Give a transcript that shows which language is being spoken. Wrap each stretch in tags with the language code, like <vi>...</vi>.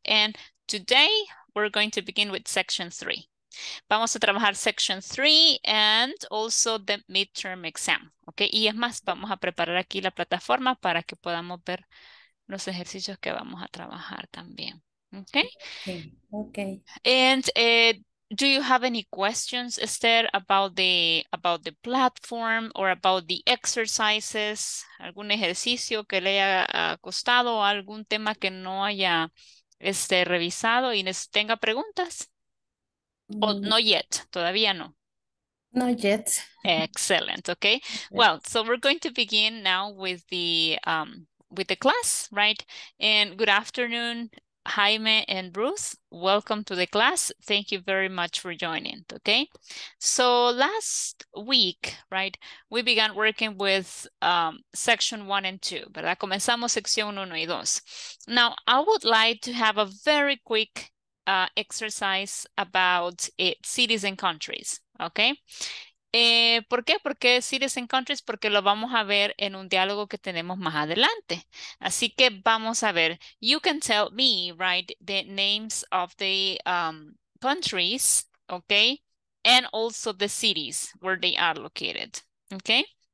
<en>And today we're going to begin with section 3.</en> <es>Vamos a trabajar</es> <en>section 3 and also the midterm exam.</en> <es>Okay. Y es más, vamos a preparar aquí la plataforma para que podamos ver los ejercicios que vamos a trabajar también.</es> <en>Okay. And do you have any questions, Esther, about the platform or about the exercises?</en> <es>¿Algún ejercicio que le haya costado o algún tema que no haya revisado y tenga preguntas?</es> <en>Mm. Oh, not yet.</en> <es>Todavía no.</es> <en>Not yet. Excellent. Okay. Well, so we're going to begin now with the class, right? And good afternoon, Jaime and Bruce, welcome to the class. Thank you very much for joining, okay? So last week, right, we began working with section 1 and 2, ¿verdad?</en> <es>Comenzamos sección 1 y 2.</es> <en>Now, I would like to have a very quick exercise about cities and countries, okay?</en> <es>¿Por qué? ¿Por qué</es> <en>cities and countries?</en> <es>Porque lo vamos a ver en un diálogo que tenemos más adelante. Así que vamos a ver.</es> <en>You can tell me, right, the names of the countries, okay? And also the cities where they are located, okay?</en>